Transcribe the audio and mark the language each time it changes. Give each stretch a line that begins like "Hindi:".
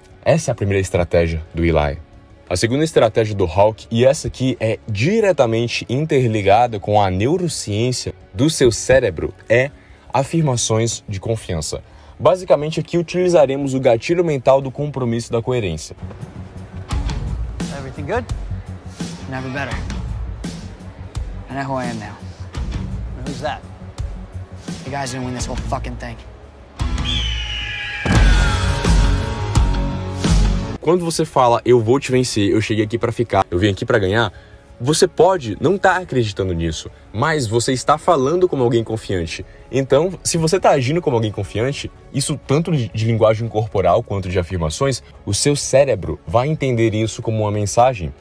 Portuguese: Essa é a primeira estratégia do Eli. A segunda estratégia do Hulk, e essa aqui é diretamente interligada com a neurociência do seu cérebro, é afirmações de confiança. Basicamente, aqui utilizaremos o gatilho mental do compromisso da coerência.
English: Everything good? Never better. I know who I am now. Who's that? You guys gonna win this whole fucking thing.
Portuguese: Quando você fala, eu vou te vencer, eu cheguei aqui pra ficar, eu vim aqui pra ganhar, você pode não estar acreditando nisso, mas você está falando como alguém confiante. Então, se você está agindo como alguém confiante, isso tanto de linguagem corporal quanto de afirmações, o seu cérebro vai entender isso como uma mensagem.